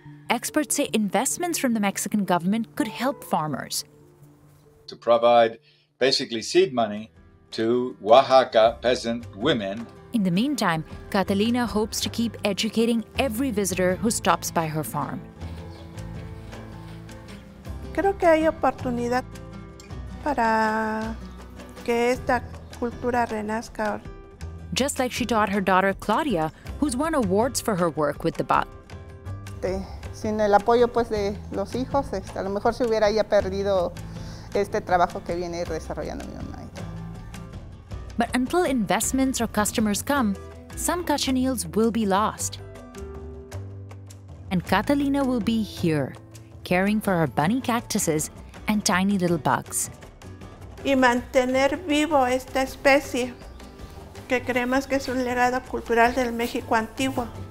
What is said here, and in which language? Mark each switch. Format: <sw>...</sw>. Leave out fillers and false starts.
<en>Experts say investments from the Mexican government could help farmers. To provide basically seed money to Oaxaca peasant women. In the meantime, Catalina hopes to keep educating every visitor who stops by her farm.</en> <es>Creo que hay oportunidad para que esta cultura renazca.</es> <en>Just like she taught her daughter Claudia, who's won awards for her work with the bot.</en> <es>Sin el apoyo pues de los hijos, a lo mejor se hubiera ya perdido este trabajo que viene desarrollando mi mamá.</es> <en>But until investments or customers come, some cochineals will be lost. And Catalina will be here, caring for her bunny cactuses and tiny little bugs.</en> <es>Y mantener vivo esta especie, que creemos que es un legado cultural del México antiguo.</es>